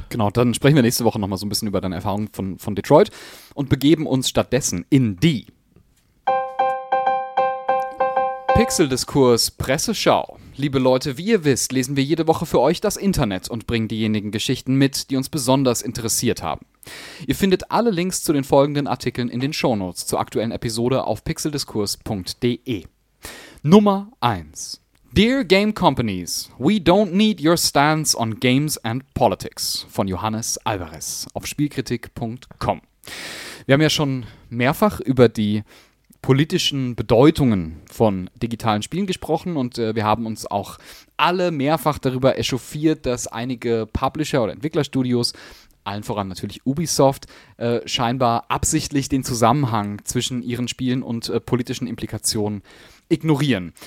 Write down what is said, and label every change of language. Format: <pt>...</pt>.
<de>Genau, dann sprechen wir nächste Woche nochmal so ein bisschen über deine Erfahrungen von Detroit und begeben uns stattdessen in die Pixeldiskurs Presseschau. Liebe Leute, wie ihr wisst, lesen wir jede Woche für euch das Internet und bringen diejenigen Geschichten mit, die uns besonders interessiert haben. Ihr findet alle Links zu den folgenden Artikeln in den Shownotes zur aktuellen Episode auf pixeldiskurs.de. Nummer 1.</de> <en>Dear Game Companies, we don't need your stance on games and politics.</en> <de>Von Johannes Alvarez auf spielkritik.com. Wir haben ja schon mehrfach über die politischen Bedeutungen von digitalen Spielen gesprochen und wir haben uns auch alle mehrfach darüber echauffiert, dass einige Publisher oder Entwicklerstudios, allen voran natürlich Ubisoft, scheinbar absichtlich den Zusammenhang zwischen ihren Spielen und politischen Implikationen ignorieren.</de>